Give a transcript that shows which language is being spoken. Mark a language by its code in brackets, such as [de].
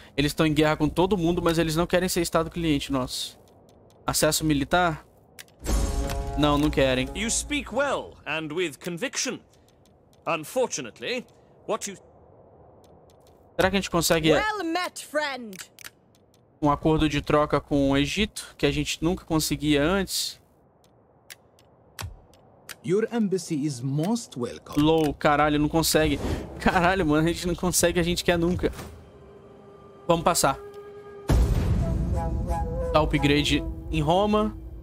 [pt] Eles estão em guerra com todo mundo, mas eles não querem ser estado cliente nosso. Acesso militar? Não, não querem. Você fala bem e com convicção. [en] Unfortunately, what you... [pt] Será que a gente consegue um acordo de troca com o Egito que a gente nunca conseguia antes? [en] Your embassy is most welcome. [pt] Low, caralho, não consegue. Caralho, mano, a gente não consegue, a gente quer nunca. Vamos passar. Dá upgrade em Roma.